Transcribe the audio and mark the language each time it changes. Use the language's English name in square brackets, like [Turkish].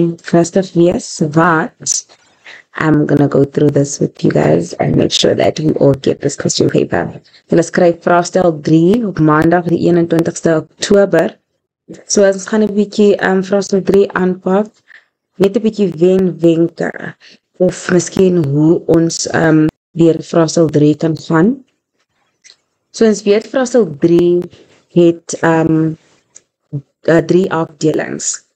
[English] First off, yes, but I'm going to go through this with you guys and make sure that we all get this question paper. [Afrikaans] Let's skryf vraagstel 3 op maandag die 21ste Oktober. So as ons gaan 'n bietjie vraagstel 3 aanpak, net 'n bietjie wenke of miskien hoe ons weer vraagstel 3 kan gaan. So ons weet vraagstel 3 het 3 afdelings.